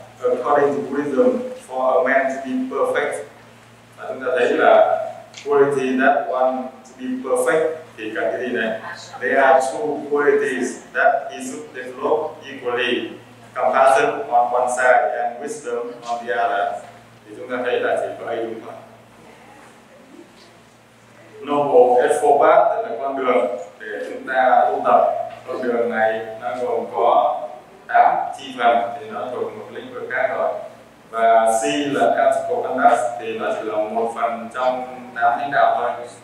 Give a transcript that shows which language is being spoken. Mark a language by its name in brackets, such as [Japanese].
[English] According to wisdom, for a man to be perfect, [Vietnamese] và chúng ta thấy là [English] quality that one to be perfect [Vietnamese] thì cần cái gì này? [English] There are two qualities that he should develop equally: compassion on one side and wisdom on the other. [Vietnamese] Thì chúng ta thấy là chỉ có A đúng thôi. Noble Ethical Path là con đường để chúng ta tu tập. Con đường này nó gồm có 8 chi phần thì nó thuộc một lĩnh vực khác rồi. Và C là Ethical Conduct thì nó chỉ là một phần trong 8 thánh đạo thôi.